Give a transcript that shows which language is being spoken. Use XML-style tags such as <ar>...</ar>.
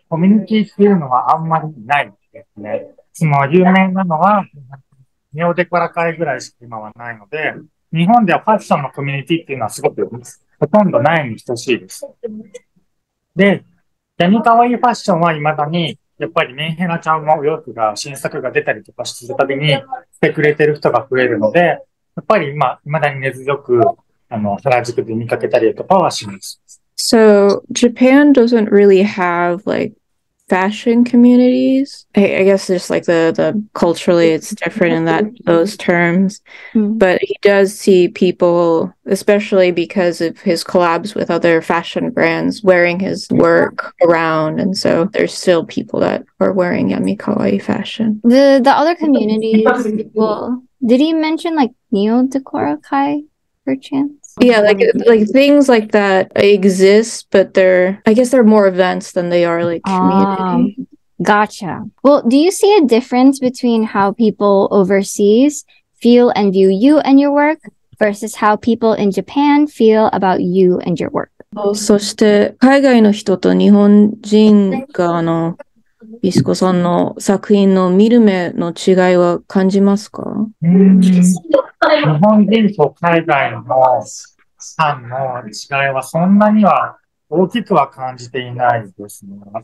<ja>コミュニティっていうのはあんまりないですね。その有名なのは、ネオデコラ会ぐらいしか今はないので、日本ではファッションのコミュニティっていうのはすごくほとんどないに等しいです。で、ヤミカワイファッションは未だに、やっぱりメンヘラちゃんのお洋服が新作が出たりとかしてるたびに来てくれてる人が増えるので、やっぱり今、未だに根強く、あの、原宿で見かけたりとかはします。</ja> <en>So Japan doesn't really have like fashion communities. I guess just like the culturally it's different in that those terms. Mm-hmm. But he does see people, especially because of his collabs with other fashion brands, wearing his work around. And so there's still people that are wearing Yamikawaii fashion. The other communities, well, did he mention like Neo Decora Kai per chance? Yeah, like things like that exist, but I guess they're more events than they are like community. Gotcha. Well, do you see a difference between how people overseas feel and view you and your work versus how people in Japan feel about you and your work?</en> <ja>そして海外の人と日本人があのビスコさんの作品の見る目の違いは感じますか？日本人と海外のファンの違いはそんなには大きくは感じていないですね。</ja>